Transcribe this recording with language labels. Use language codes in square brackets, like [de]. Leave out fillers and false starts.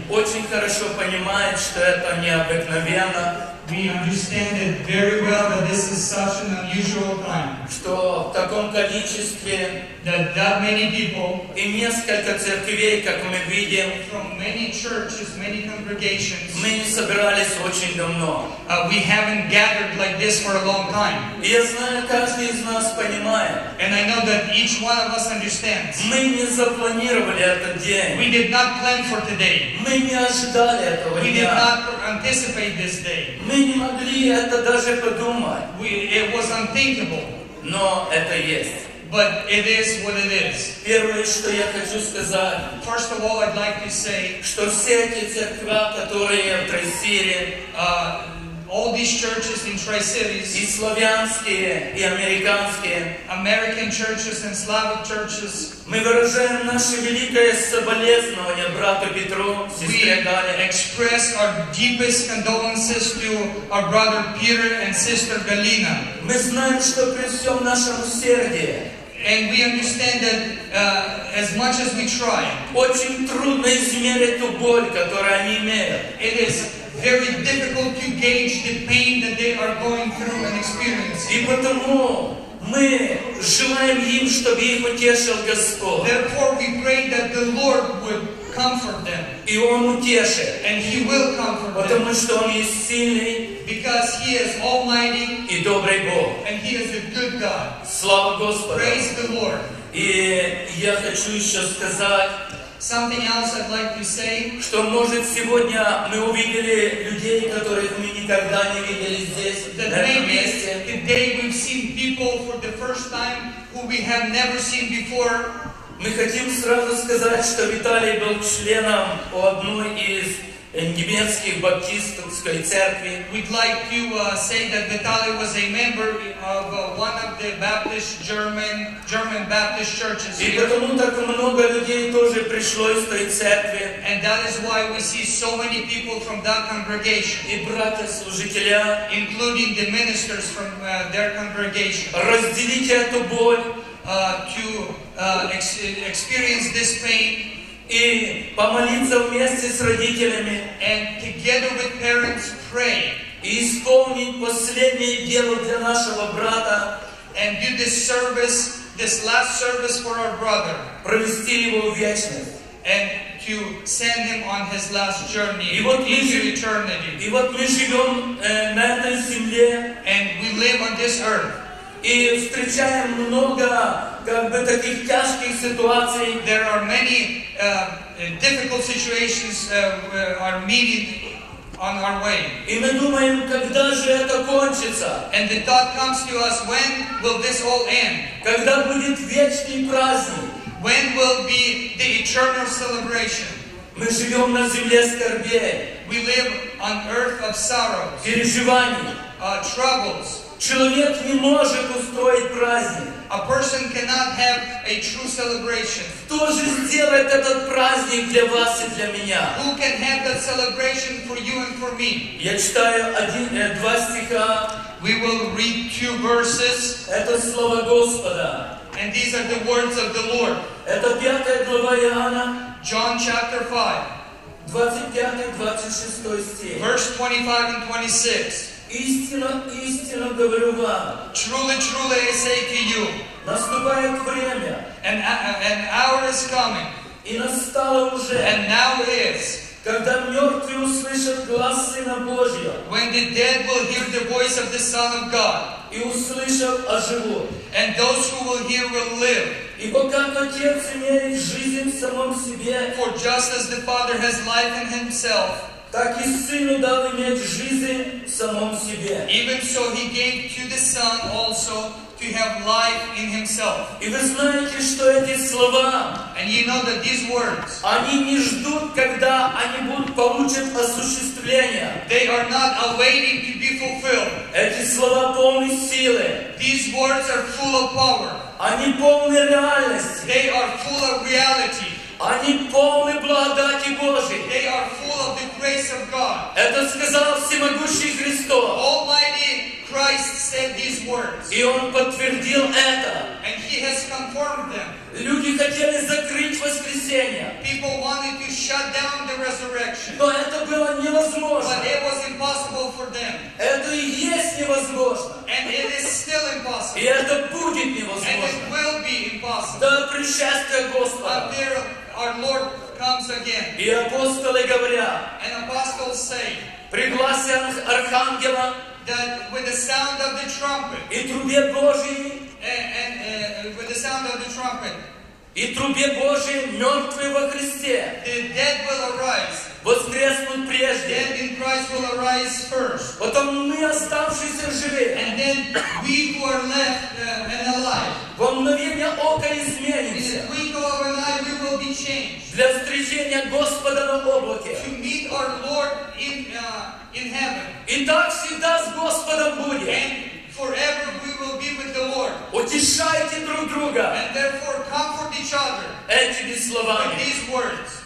[ru] очень хорошо понимает, что это необыкновенно. [en] We understand it very well that this is such an unusual time. [ru] Что в таком количестве, [en] that many people, [ru] и несколько церквей, как мы видим, [en] from many churches, many congregations, [ru] мы не собирались очень давно. [en] We haven't gathered like this for a long time. [ru] Я знаю, каждый из нас понимает. [en] And I know that each one of us understands. [ru] Мы не запланировали этот день. [en] We did not plan for today. [ru] Мы не ожидали этого [en] we [ru] дня. [en] Did not anticipate this day. [ru] Мы не могли это даже подумать. [en] It was unthinkable. [ru] Но это есть. [en] But it is what it is. [ru] Первое, что я хочу сказать. [en] First of all, I'd like to say, [ru] что все эти церкви, которые в Тресире, [en] all these churches in Tri-Cities, [ru] и славянские, и американские, [en] American churches and Slavic churches, [ru] мы выражаем наше великое соболезнование брату Петру, сестре Гале. [en] We express our deepest condolences to our brother Peter and sister Galina. [ru] Мы знаем, что при всем нашем усердии, [en] and we understand that as much as we try, [ru] очень трудно измерить ту боль, которую они имеют. [en] It is very difficult to gauge the pain that they are going through and experiencing. [ru] И потому мы желаем им, чтобы их утешил Господь. [en] Therefore, we pray that the Lord would comfort them. [ru] И Он утешит. [en] And He will comfort [ru] потому [en] them. [ru] Потому что Он есть сильный. [en] Because He is Almighty. [ru] И добрый Бог. [en] And He is a good God. [ru] Слава Господу. [en] Praise the Lord. [ru] И я хочу еще сказать. [en] Something else I'd like to say. [ru] Что может сегодня мы увидели людей, которых мы никогда не видели здесь, на этом месте. [en] Today we've seen people for the first time who we have never seen before. [ru] Мы хотим сразу сказать, что Виталий был членом у одной из немецких баптистской церкви. [en] We'd like to say that Vitaly was a member of one of the Baptist German Baptist churches. [ru] И потому так много людей тоже пришло из той церкви. [en] And that is why we see so many people from that congregation. [ru] И братья служителя, [en] including the ministers from their congregation. [ru] Разделите эту боль, [en] to experience this pain. [ru] И помолиться вместе с родителями. [en] And together with parents pray. [ru] И исполнить последнее дело для нашего брата. [en] And do this last service for our brother. [ru] Провести его в вечность. [en] And to send him on his last journey into eternity. [ru] И вот мы живем на этой земле. [en] And we live on this earth. [ru] И встречаем много как бы таких тяжких ситуаций. [en] There are many difficult situations are meeting on our way. [ru] И мы думаем, когда же это кончится? [en] And the thought comes to us, when will this all end? [ru] Когда будет вечный праздник? [en] When will be the eternal celebration? [ru] Мы живем на земле скорбей. [en] We live on earth of sorrows. [ru] Переживаний. [en] Troubles. [ru] Человек не может устроить праздник. [en] A person cannot have a true celebration. [ru] Кто же сделает этот праздник для вас и для меня? [en] Who can have that celebration for you and for me? [ru] Я читаю два стиха. [en] We will read two verses. [ru] Это слово Господа. [en] And these are the words of the Lord. [ru] Это 5 глава Иоанна. [en] John chapter 5. [ru] 25-26 стих. [en] Verse 25-26. [ru] Истинно, истинно говорю вам. [en] Truly, truly I say to you. [ru] Наступает время. [en] An hour is coming. [ru] И настало уже. [en] And now is. [ru] Когда мертвые услышат глас Сына Божьего. [en] When the dead will hear the voice of the Son of God. [ru] И услышат оживут. [en] And those who will hear will live. [ru] Ибо как Отец имеет жизнь в самом себе. [en] For just as the Father has life in Himself. [ru] Так и Сыну дал иметь жизнь в самом себе. [en] Even so, He gave to the Son also to have life in Himself. [ru] И вы знаете, что эти слова, [en] and you know that these words, [ru] они не ждут, когда они будут получат осуществление. [en] They are not awaiting to be fulfilled. [ru] Эти слова полны силы. [en] These words are full of power. [ru] Они полны реальности. [en] They are full of reality. [ru] Они полны благодати Божьей. [en] They are full of the grace of God. [ru] Это сказал всемогущий Христос. [en] Almighty Christ said these words. [ru] И он подтвердил это. [en] And he has confirmed them. [ru] Люди хотели закрыть воскресение. [en] People wanted to shut down the resurrection. [ru] Но это было невозможно. [en] But it was impossible for them. [ru] Это и есть невозможно. [en] And it is still impossible. [ru] И это будет невозможно. [en] And it will be impossible. [ru] До пришествия Господа. [en] But there, our Lord comes again. [ru] И апостолы говорят. [en] And apostles say. [ru] Пригласен архангела. [en] That with the sound of the trumpet. [ru] И трубе Божьей. [en] And with the sound of the trumpet. [ru] И трубе Божьей мертвые во Христе. [en] The dead will arise. [ru] Воскреснут прежде. [en] Dead in Christ will arise first. [ru] Потом мы оставшиеся живы. [en] And then we who are left and alive. [ru] Во мгновение ока изменимся. [en] In the twinkle of an eye we will be changed. [ru] Для встречения Господа на облаке. [en] To meet our Lord in heaven. [ru] И так всегда с Господом будет. [en] And forever we will be with the Lord. [ru] Утешайте друг друга. [en] And therefore comfort each other. [ru] Этими словами. [en] With these words.